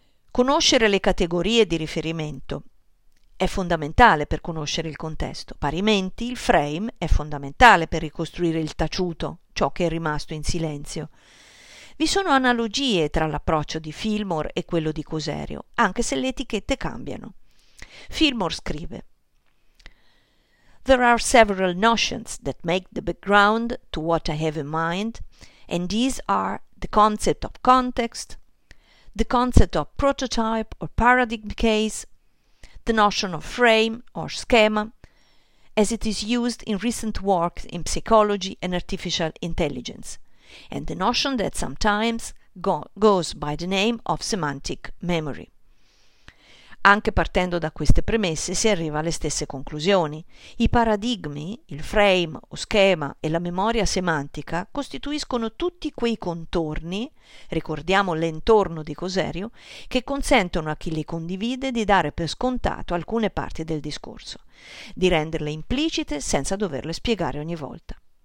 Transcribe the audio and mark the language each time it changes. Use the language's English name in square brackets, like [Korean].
[Italian] Conoscere le categorie di riferimento è fondamentale per conoscere il contesto. Parimenti, il frame è fondamentale per ricostruire il taciuto, ciò che è rimasto in silenzio. Vi sono analogie tra l'approccio di Fillmore e quello di Coserio, anche se le etichette cambiano. [English] Fillmore scrive: "There are several notions that make the background to what I have in mind, and these are the concept of context, the concept of prototype or paradigm case, the notion of frame or schema, as it is used in recent works in psychology and artificial intelligence, and the notion that sometimes goes by the name of semantic memory." [Italian] Anche partendo da queste premesse si arriva alle stesse conclusioni. I paradigmi, il frame o schema e la memoria semantica costituiscono tutti quei contorni, ricordiamo l'intorno di Coserio, che consentono a chi li condivide di dare per scontato alcune parti del discorso, di renderle implicite senza doverle spiegare ogni volta.